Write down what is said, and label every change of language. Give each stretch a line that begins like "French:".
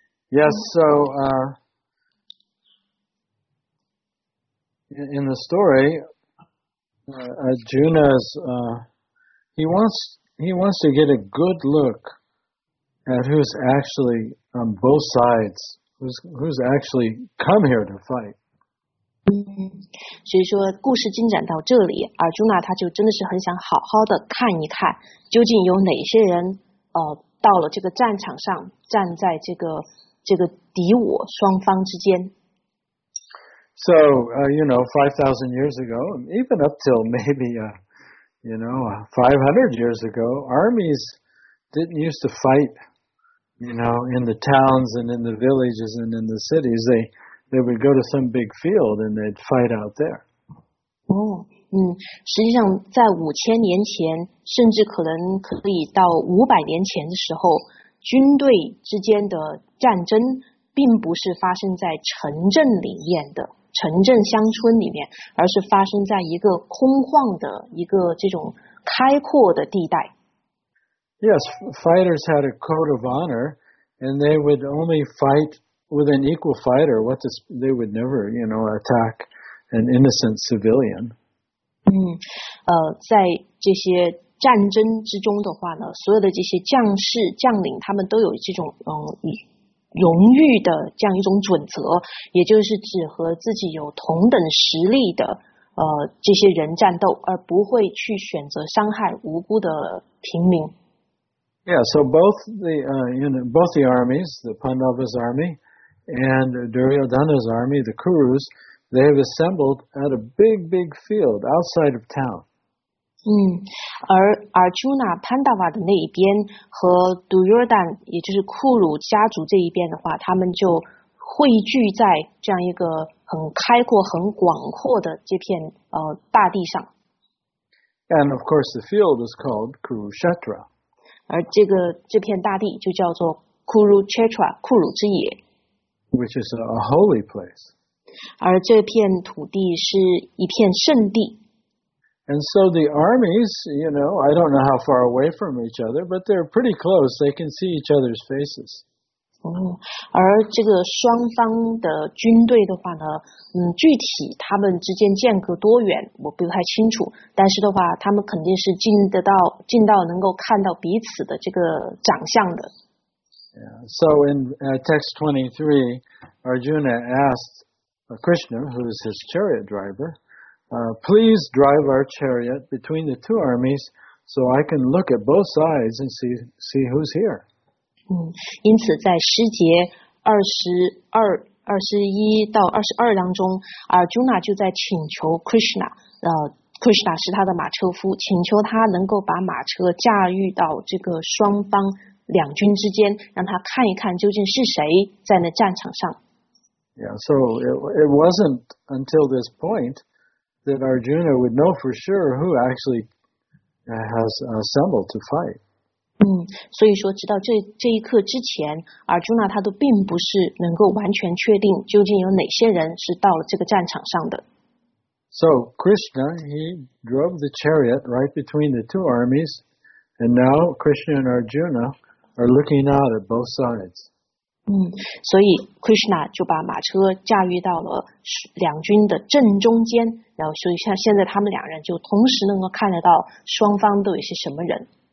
English: Yes, so in the story, Arjuna's he wants to get a good look at who's actually on both sides, who's actually come here to fight.
Chinese: 所以说故事进展到这里，尔朱纳他就真的是很想好好的看一看究竟有哪些人到了这个战场上，站在这个敌我双方之间。
English: So, you know, 5,000 years ago, even up till maybe, you know, 500 years ago, armies didn't used to fight, you know, in the towns and in the villages and in the cities. They would go to some big field and they'd fight out there. Oh,
Chinese: 实际上在5000年前，甚至可能可以到500年前的时候，军队之间的战争并不是发生在城镇里面的城镇乡村里面，而是发生在一个空旷的一个这种开阔的地带。
English: Yes, fighters had a code of honor, and they would only fight with an equal fighter. They would never, you know, attack an innocent civilian.
Chinese: 在这些战争之中的话呢，所有的这些将士将领，他们都有这种荣誉的这样一种准则，也就是只和自己有同等实力的这些人战斗，而不会去选择伤害无辜的平民。
English: Yeah, so both the both the armies, the Pandavas' army and Duryodhana's army, the Kurus, they have assembled at a big field outside of town.
Chinese: 而 Arjuna Pandava 的那一边和 Duryodhan 也就是库鲁家族这一边的话，他们就汇聚在这样一个很开阔很广阔的这片大地上。
English: And of course the field is called Kurukshetra.
Chinese: 而这片大地就叫做 Kurukshetra, 库鲁之野。
English: Which is a holy place.
Chinese: 而这片土地是一片圣地。
English: And so the armies, you know, I don't know how far away from each other, but they're pretty close. They can see each other's faces.
Chinese: 而这个双方的军队的话呢，具体他们之间间隔多远我不太清楚，但是的话他们肯定是近到能够看到彼此的这个长相的。
English: So in text 23, Arjuna asked Krishna, who is his chariot driver, please drive our chariot between the two armies so I can look at both sides and see who's here.
Chinese: 因此在诗节21到22当中， Arjuna 就在请求 Krishna, Krishna 是他的马车夫，请求他能够把马车驾驭到这个双方两军之间，让他看一看究竟是谁在那战场上。
English: Yeah, so it wasn't until this point that Arjuna would know for sure who actually has assembled to fight.
Chinese: 所以说直到这一刻之前， Arjuna 他都并不是能够完全确定究竟有哪些人是到了这个战场上的。
English: So Krishna, he drove the chariot right between the two armies, and now Krishna and Arjuna are looking out at both sides.
Chinese: 所以 Krishna 就把马车驾驭到了两军的正中间，然后所以像现在他们两人就同时能够看得到双方都是什么人。